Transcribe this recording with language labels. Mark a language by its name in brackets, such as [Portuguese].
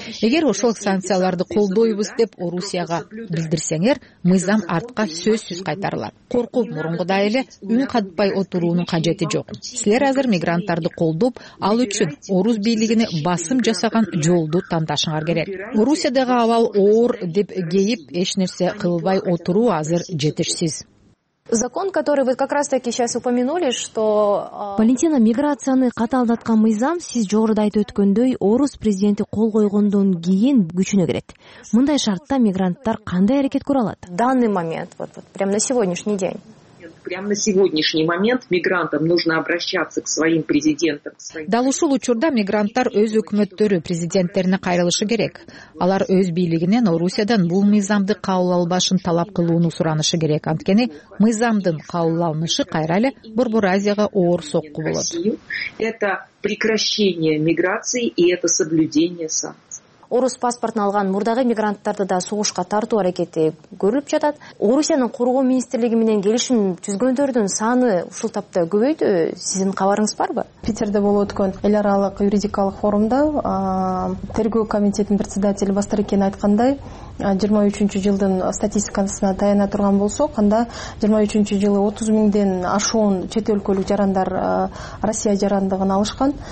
[Kyrgyz] Эгер ошол санкцияларды колдойбуз деп Орусияга билдирсеңер, мыйзам артка сөзсүз кайтарылат. Коркуп мурунгудай эле үн катпай отуруунун кажети жок. Силер азыр мигранттарды колдоп, ал үчүн орус бийлигине басым жасаган жолду тандашыңар керек. Орусиядагы абал оор деп кейип эч нерсе кылбай отуруу азыр жетишсиз. [Russian] Закон, который вы как раз таки сейчас упомянули, что... [Kyrgyz] Валентина, миграцияны катаалдаткан мыйзам, сиз жогоруда айтып өткөндөй, орус президенти кол койгондон кийин күчүнө кирет. Мындай шартта мигранттар кандай аракет көрө алат? [Russian] Данный момент, вот прямо на сегодняшний день. Прямо на сегодняшний момент мигрантам нужно обращаться к своим президентам. [Kyrgyz] Дал ушул учурда мигранттар өз өкмөттөрү президенттерине кайрылышы керек. Алар өз бийлигинен Орусиядан бул мыйзамды кабыл албашын талап кылууну суранышы керек. Анткени мыйзамдын кабыл алынышы кайра эле Борбор Азияга оор сокку болот. [Russian] Это прекращение миграции и это соблюдение санкций. [Kyrgyz] Орус паспортун алган мурдагы мигранттарды да согушка тартуу аракети көрүлүп жатат. Орусиянын коргоо министрлиги менен келишим түзгөндөрдүн саны ушул тапта көбөйдү. Сиздин кабарыңыз барбы? Питерде болуп өткөн эл аралык юридикалык форумда тергөө комитетинин председатели Бастрыкин айткандай, 23-чү жылдын статистикасына таяна турган болсок, анда 23-чү жылы 30 000 ашуун чет өлкөлүк жарандар Россия жарандыгын алышкан.